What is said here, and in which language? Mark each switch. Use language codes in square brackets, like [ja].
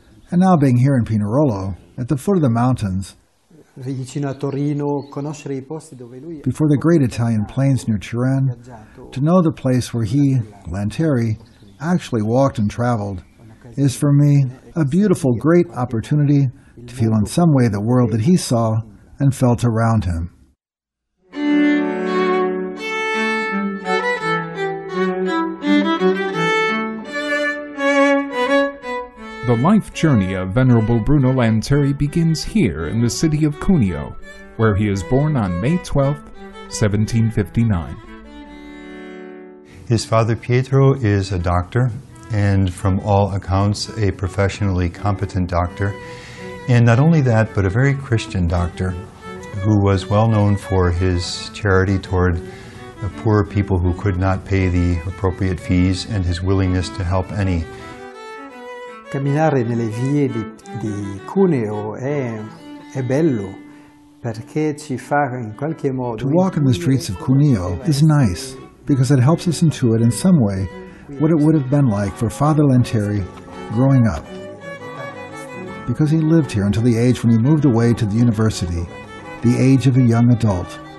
[en] And now being here in Pinerolo, at the foot of the mountains, [it] vicino a Torino, conoscere I posti dove lui [en] before the great Italian plains near Turin, to know the place where he, Lanteri, actually walked and traveled, is for me a beautiful, great opportunity to feel in some way the world that he saw and felt around him. The life journey of Venerable Bruno Lanteri begins here in the city of Cuneo, where he is born on May 12, 1759. His father Pietro is a doctor, and from all accounts, a professionally competent doctor. And not only that, but a very Christian doctor, who was well known for his charity toward the poor people who could not pay the appropriate fees and his willingness to help any. [it] Camminare nelle vie di Cuneo è bello perché ci fa in qualche modo. [en] To walk in the streets of Cuneo is nice because it helps us intuit in some way what it would have been like for Father Lanteri growing up. Because he lived here until the age when he moved away to the university, the age of a young adult.